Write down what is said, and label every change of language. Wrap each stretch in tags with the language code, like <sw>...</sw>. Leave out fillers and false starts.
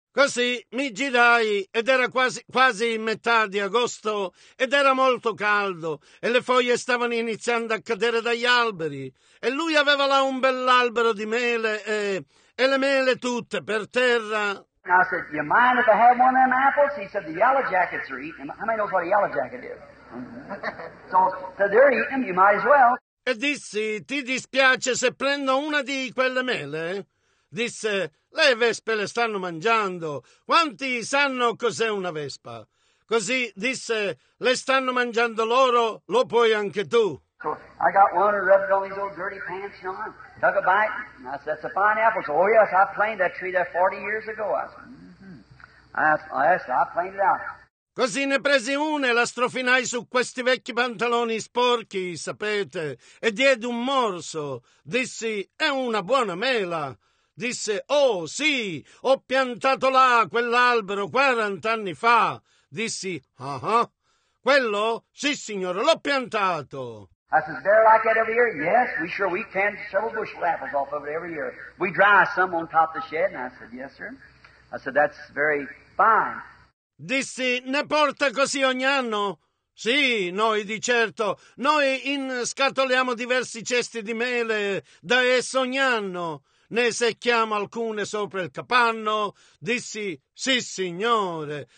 <it>Così mi girai ed era quasi metà di agosto ed era molto caldo e le foglie stavano iniziando a cadere dagli alberi e lui aveva là un bell'albero di mele e le mele tutte per terra.</it> <en>And I said, you mind if I have one of them apples? He said, the yellow jackets are eating. How many knows what a yellow jacket is? Mm-hmm. So, they're eating, you might as well.</en> <it>E dissi, ti dispiace se prendo una di quelle mele? Disse, le vespe le stanno mangiando. Quanti sanno cos'è una vespa? Così disse, le stanno mangiando loro, lo puoi anche tu.</it> <en>So I got one and rubbed it on these old dirty pants, you know, took a bite, and I said, that's a fine apple. So, oh yes, I planted that tree there 40 years ago. I said, mm-hmm. I planted it out.</en> <it>Così ne presi una e la strofinai su questi vecchi pantaloni sporchi, sapete, e diedi un morso. Dissi, è una buona mela. Disse, oh sì, ho piantato là quell'albero 40 anni fa. Dissi, quello? Sì, signore, l'ho piantato.</it> <en>I said, is there like that every year? Yes, we sure we can. Several bushel apples off of it every year. We dry some on top of the shed. And I said, yes, sir. I said, that's very fine.</en> <it>Dissi, ne porta così ogni anno? Sì, noi di certo. Noi in scatoliamo diversi cesti di mele da esso ogni anno. Ne secchiamo alcune sopra il capanno. Dissi, sì, signore.</it>